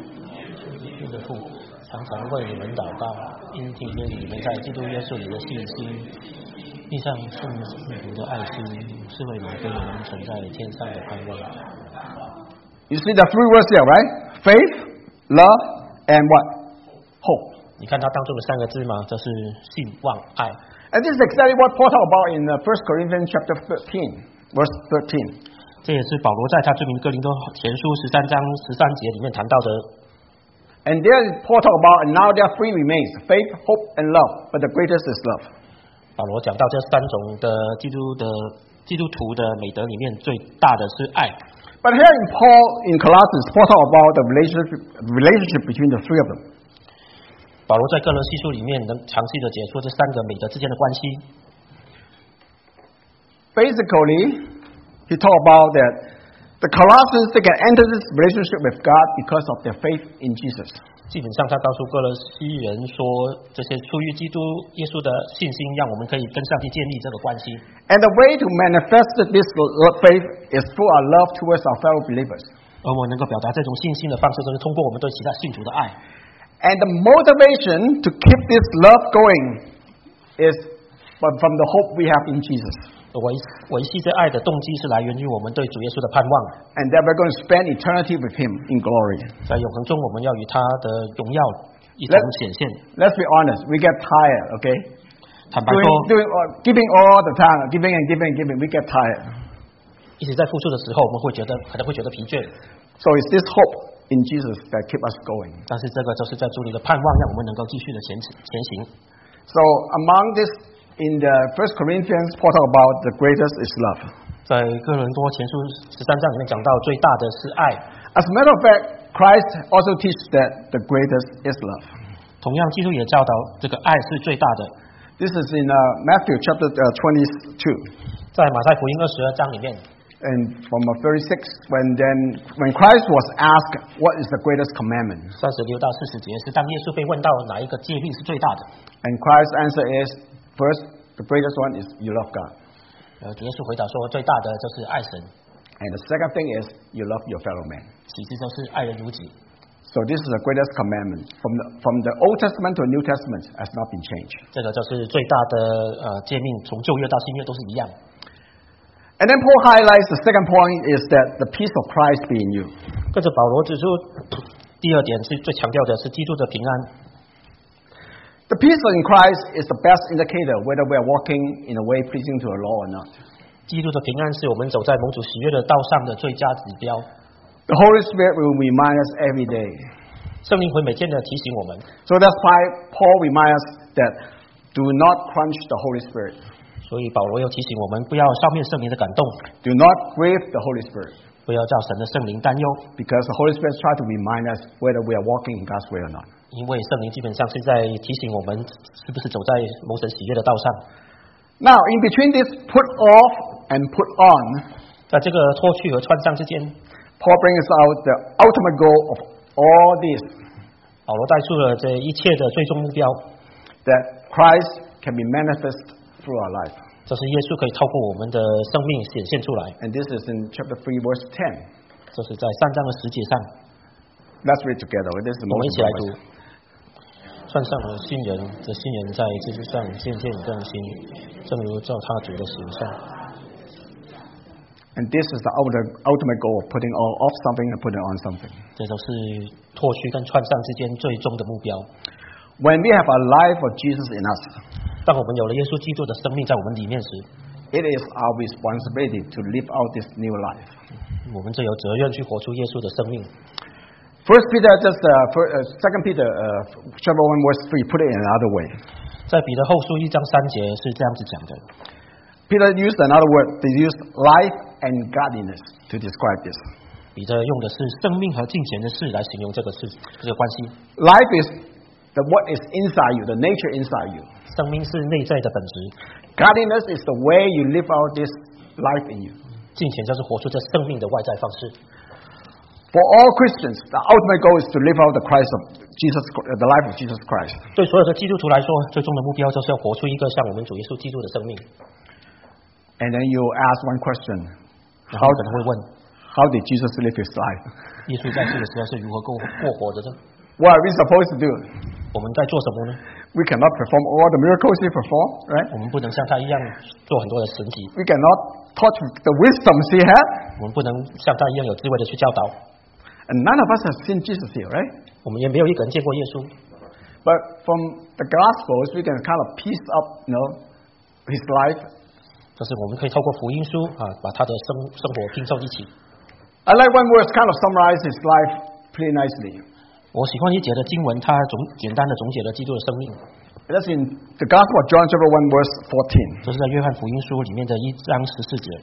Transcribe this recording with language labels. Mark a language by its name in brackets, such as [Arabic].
[Chinese] 常常为你们祷告，因听见你们在基督耶稣里的信心，地上圣徒的爱心，是为你们能存在天上的盼望。 [English] You see the three words here, right? Faith, love, and what? Hope. [Chinese] 你看它当中的三个字吗？这是信、望、爱。 [English] And this is exactly what Paul talked about in 1 Corinthians chapter 13, verse 13. [Chinese] 这也是保罗在他著名哥林多前书十三章十三节里面谈到的。 [English] And there is Paul talk about, and now there are three remains: faith, hope, and love. But the greatest is love. [Chinese] 保罗讲到这三种的基督徒的美德里面，最大的是爱。 [English] But here in Paul in Colossians, Paul talk about the relationship between the three of them. [Chinese] 保罗在哥罗西书里面能详细的解说这三个美德之间的关系。 [English] basically, he talked about that the Colossians, they can enter this relationship with God because of their faith in Jesus. [Chinese] 基本上他告诉哥罗西人说，这些出于基督耶稣的信心，让我们可以跟上帝建立这个关系。 [English] And the way to manifest this faith is through our love towards our fellow believers. [Chinese] 而我能够表达这种信心的方式，就是通过我们对其他信徒的爱。 [English] And the motivation to keep this love going is from the hope we have in Jesus. [Chinese] 维系这爱的动机是来源于我们对主耶稣的盼望。 [English] And that we're going to spend eternity with Him in glory. [Chinese] 在永恒中，我们要与他的荣耀一同显现。 [English] Let's be honest, we get tired, okay? [Chinese] 坦白说 [English] giving all the time, giving and giving and giving, we get tired. [Chinese] 一直在付出的时候，我们会觉得可能会觉得疲倦。 [English] So it's this hope. In Jesus that keep us going. [Chinese] 但是这个就是在主里的盼望，让我们能够继续的前行。 [English] So among this, in the First Corinthians, Paul talk about the greatest is love. [Chinese] 在哥伦多前书十三章里面讲到最大的是爱。 [English] As a matter of fact, Christ also teaches that the greatest is love. [Chinese] 同样，基督也教导这个爱是最大的。 [English] This is in Matthew chapter 22. [Chinese] 在马太福音二十二章里面。 [English] And from 36, when Christ was asked, what is the greatest commandment? [Chinese] 36到40节是当耶稣被问到哪一个诫命是最大的。 [English] And Christ's answer is, first, the greatest one is you love God. [Chinese] 耶稣回答说最大的就是爱神。 [English] And the second thing is, you love your fellow man. [Chinese] 其实就是爱人如己。 [English] So this is the greatest commandment. From the Old Testament to the New Testament has not been changed. [Chinese] 这个就是最大的诫命，从旧约到新约都是一样。 [English] And then Paul highlights the second point is that the peace of Christ be in you. [Chinese] 跟着保罗指出，第二点是最强调的是基督的平安。 [English] The peace in Christ is the best indicator whether we are walking in a way pleasing to the Lord or not. [Chinese] 基督的平安是我们走在蒙主喜悦的道上的最佳指标。 [English] The Holy Spirit will remind us every day. [Chinese] 圣灵会每天的提醒我们。 [English] So that's why Paul reminds us that do not quench the Holy Spirit. [Chinese] 所以保罗又提醒我们不要消灭圣灵的感动。 [English] Do not grieve the Holy Spirit. [Chinese] 不要叫神的圣灵担忧。 [English] Because the Holy Spirit tries to remind us whether we are walking in God's way or not. [Chinese] 因为圣灵基本上是在提醒我们是不是走在蒙神喜悦的道上。 [English] Now, in between this put off and put on, [Chinese] 在这个脱去和穿上之间 [English] ，Paul brings out the ultimate goal of all this. [Chinese] 保罗带出了这一切的最终目标。 [English] That Christ can be manifest. Through our life. [Chinese] 这是耶稣可以透过我们的生命显现出来。 [English] And this is in chapter 3, verse 10. [Chinese] 这是在三章的十节上。 [English] Let's read together. This is the most [Chinese] 我们一起来读。穿上了新人，这新人在基督上渐渐更新，正如照他主的形象。 [English] And this is the ultimate goal of putting off something and putting on something. [Chinese] 这都是脱去跟穿上之间最终的目标。 [English] When we have a life of Jesus in us, [Chinese] 当我们有了耶稣基督的生命在我们里面时， [English] it is our responsibility to live out this new life. [Chinese] 我们就有责任去活出耶稣的生命。 [English] First Peter, just Second Peter, chapter 1 verse 3, put it in another way. [Chinese] 在彼得后书一章三节是这样子讲的。 [English] Peter used another word. They used life and godliness to describe this. [Chinese] 彼得用的是生命和敬虔的事来形容这个事这个关系。 [English] Life is. The what is inside you, the nature inside you. [Chinese] 生命是内在的本质。 [English] Godliness is the way you live out this life in you. [Chinese] 敬虔就是活出这生命的外在方式。 [English] For all Christians, the ultimate goal is to live out the Christ of Jesus, the life of Jesus Christ. [Chinese] 对所有的基督徒来说，最终的目标就是要活出一个像我们主耶稣基督的生命。 [English] And then you ask one question. [Chinese] 然后可能会问 [English] How did Jesus live his life? [Chinese] 耶稣在世的时候是如何过活着的？ [English] What are we supposed to do? [Chinese] 我们在做什么呢？ [English] We cannot perform all the miracles he performed, right? [Chinese] 我们不能像他一样做很多的神迹。 [English] We cannot teach the wisdom he had. [Chinese] 我们不能像他一样有智慧的去教导。 [English] And none of us have seen Jesus here, right? [Chinese] 我们也没有一个人见过耶稣。 [English] But from the Gospels, we can kind of piece up, you know, his life. [Chinese] 就是我们可以透过福音书啊，把他的生活拼凑一起。 [English] I like one verse kind of summarize his life pretty nicely. [Chinese] 我喜欢一节的经文，它简单的总结了基督的生命。 [English] That's in the Gospel of John, chapter 1, verse 14. [Chinese] 这是在约翰福音书里面的一章十四节。